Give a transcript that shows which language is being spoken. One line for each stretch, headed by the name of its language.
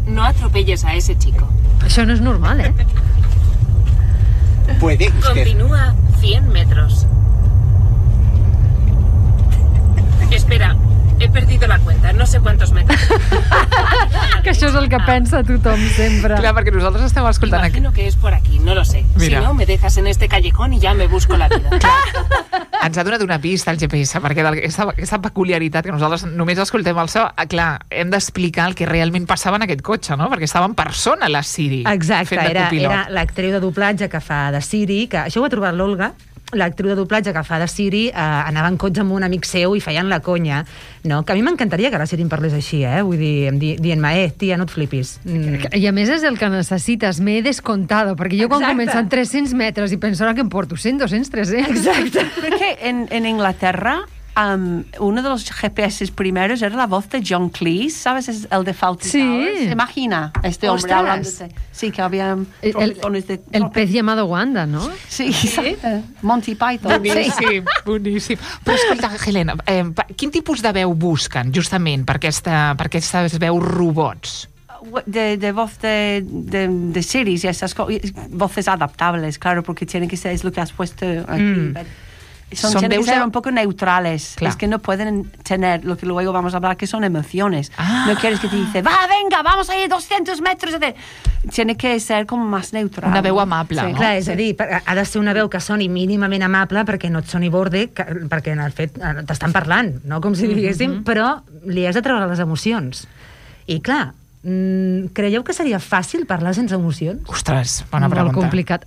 Spanish: No atropelles a ese chico.
Catalan: Això no és normal, eh?
Spanish: Puede usted. Continúa 100 metros. Espera, he perdido la cuenta, no sé cuántos metros.
Catalan: Que això és el que pensa tothom sempre. Clar, perquè nosaltres estem escoltant
Spanish: aquí. Imagino que és por aquí, no lo sé. Mira. Si no, me dejas en este callejón y ya me busco la vida.
Catalan: Clar. Ens ha donat una pista el GPS, perquè aquesta peculiaritat que nosaltres només escoltem el so, clar, hem d'explicar el que realment passava en aquest cotxe, no? Perquè estava en persona la Siri. Exacte, fent de copilot. Era l'actriu de doblatge que fa de Siri, que això ho ha trobat l'Olga, l'actriu de doblatge que fa de Siri anava en cotxe amb un amic seu i feien la conya, no? Que a mi m'encantaria que la Siri em parlés així, eh? Vull dir, dient-me, tia, no et flipis. I a més és el que necessites, m'he descontado, perquè jo quan començo amb 300 metres i penso, ara que em porto 100, 200, 300. Exacte. Crec que en Anglaterra
Spanish: Uno de los GPS primeros era la voz de John Cleese, ¿sabes? Es el de Fawlty Towers. Sí. ¿Se imagina este hombre ¿Ostras? Hablando de... Sí, que había... El pez llamado Wanda, ¿no? Sí. ¿Sí? Monty Python.
Catalan: Boníssim, boníssim. Però escolta, Helena, quin tipus de veu busquen, justament, per aquestes veus robots?
Spanish: De voz de series y esas voces adaptables, claro, porque tienen que ser, es lo que has puesto aquí. Mm. Son deus un poco neutrales, claro. Es que no pueden tener lo que luego vamos a hablar, que son emociones. Ah. No quieres que te dice, va, venga, vamos a ir 200 metros. Tiene que ser como más neutral.
Catalan: Una veu amable, sí, no? Clar, és sí. A dir, ha de ser una veu que soni mínimament amable perquè no et soni borde, perquè en el fet t'estan parlant, no? Com si diguéssim, mm-hmm. Però li has de treure les emocions. I clar, creieu que seria fàcil parlar sense emocions? Ostres, bona pregunta. Molt complicat.